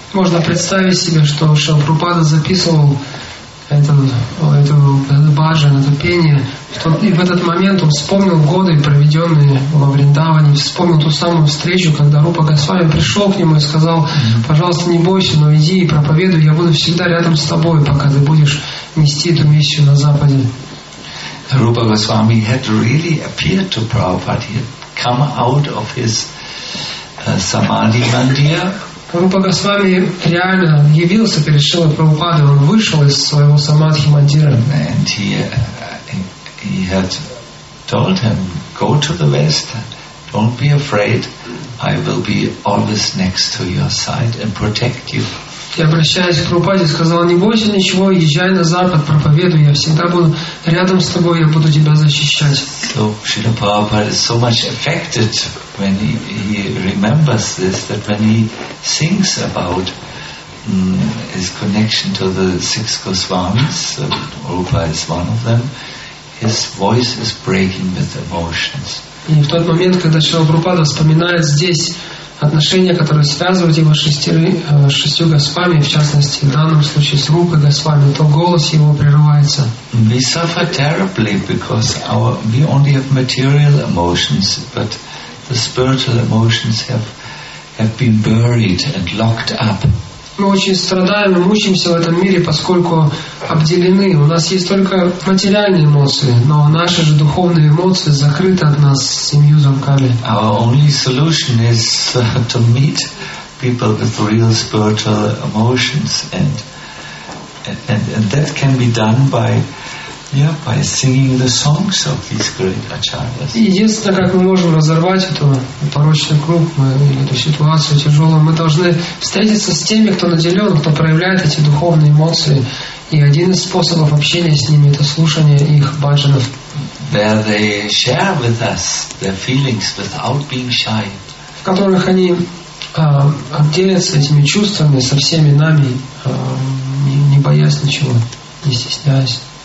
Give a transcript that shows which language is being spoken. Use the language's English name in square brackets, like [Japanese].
[Russian] Можно представить себе, что Шрила Прабхупада записывал это баджан, это пение, что и в этот момент он вспомнил годы, проведенные во Вриндаване, вспомнил ту самую встречу, когда Рупа Госвами пришел к нему и сказал: «Пожалуйста, не бойся, но иди и проповедуй, я буду всегда рядом с тобой, пока ты будешь нести эту миссию на Западе». [English] Рупа Госвами had really appeared to Prabhupada. He had come out of his samadhi mandir. [Russian] Рупа Госвами реально явился перед Шрилой Прабхупадой. Он вышел из своего самадхи мандира. [English] And he had told him, go to the West, don't be afraid, I will be always next to your side and protect you. [Russian] Я обращаюсь к Прабхупаде, сказал, не бойся ничего, езжай на Запад, проповедуй, я всегда буду рядом с тобой, я буду тебя защищать. [English] So Шрила Прабхупада is so much affected when he remembers this, that when he thinks about his connection to the six Goswamis, Rupa is one of them, his voice is breaking with emotions. [Russian] И в тот момент, когда Шрила Прабхупада вспоминает здесь отношения, которые связывают его шестью Госвами, в частности, в данном случае с Рупой Госвами, то голос его прерывается. [English] We suffer terribly because we only have material emotions, but the spiritual emotions have been buried and locked up. [Russian] Мы очень страдаем и мучимся в этом мире, поскольку обделены. У нас есть только материальные эмоции, но наши же духовные эмоции закрыты от нас семью замками. [English] Our only solution is to meet people with real spiritual emotions, and that can be done by singing the songs of these great acharyas. [Russian] Единственное, как мы можем разорвать эту порочный круг, эту ситуацию тяжелую, мы должны встретиться с теми, кто наделен, кто проявляет эти духовные эмоции. И один из способов общения с ними — это слушание их баджанов. [English] Where they share with us their feelings without being shy. [Russian] В которых они делятся этими чувствами со всеми нами, не боясь ничего, не стесняясь.